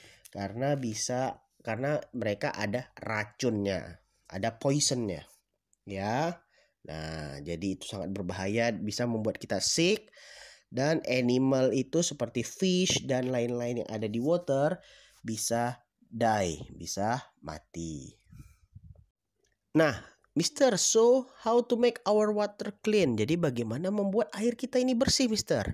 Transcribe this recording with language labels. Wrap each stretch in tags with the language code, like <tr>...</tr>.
<id>Karena mereka ada racunnya, ada poisonnya. Ya. Nah, jadi itu sangat berbahaya, bisa membuat kita sick. Dan animal itu seperti fish dan lain-lain yang ada di water bisa die, bisa mati.</id> <en>Nah, Mister, so how to make our water clean?</en> <id>Jadi bagaimana membuat air kita ini bersih, Mister?</id>